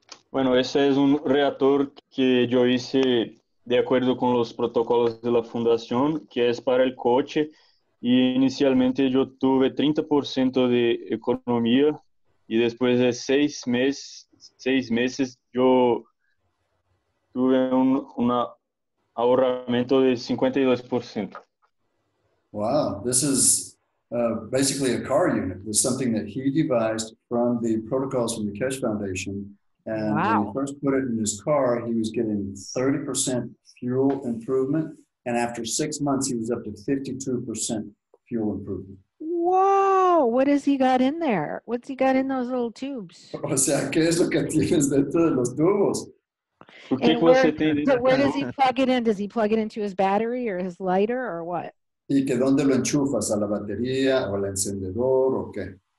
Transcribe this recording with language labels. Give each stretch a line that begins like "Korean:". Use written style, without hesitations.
Portuguese: Bueno, esse é um reator que eu hice de acordo com os protocolos da fundação, que é para o coche, e inicialmente eu tive 30% de economia, e depois de seis meses,
Spanish: yo tuve un ahorramiento de 52%.
English: Wow, this is basically a car unit. It's something that he devised from the protocols from the Keshe Foundation. And when he first put it in his car, he was getting 30% fuel improvement. And after 6 months, he was up to 52% fuel improvement. Wow, what has he got in there? What's he got in those little tubes?
Spanish: O sea, ¿qué es lo que tienes dentro de los tubos?
English: Where does he plug it in? Does he plug it into his battery or his lighter or what?
Spanish: ¿Y que dónde lo enchufas? ¿A la batería o al encendedor o qué?